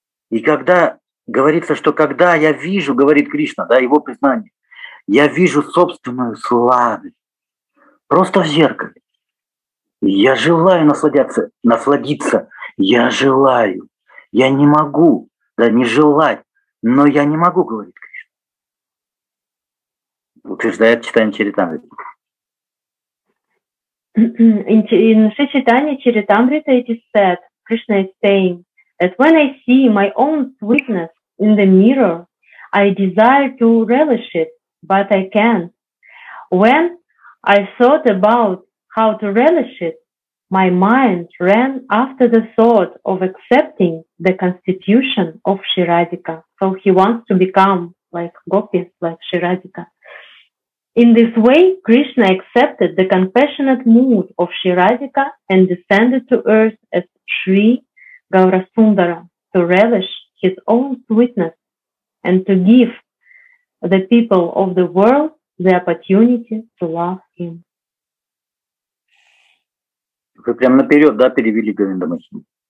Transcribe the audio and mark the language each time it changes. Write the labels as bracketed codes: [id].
[ru] И когда говорится, что когда я вижу, говорит Кришна, да, его признание, я вижу собственную сладость просто в зеркале. Я желаю насладиться, я желаю, я не могу, да, не желать, но я не могу, говорит Кришна. Утверждает читание Чаритамриты. [en] In Шичитане Чаритамрита it is said, Krishna is saying, that when I see my own sweetness in the mirror, I desire to relish it, but I can't. When I thought about how to relish it, my mind ran after the thought of accepting the constitution of Sri Radhika. So he wants to become like gopis, like Sri Radhika. In this way, Krishna accepted the compassionate mood of Sri Radhika and descended to earth as Sri Gaurasundara, to relish his own sweetness and to give the people of the world the opportunity to love him. [ru] Вы прямо наперед, да, перевели Говинда Махини?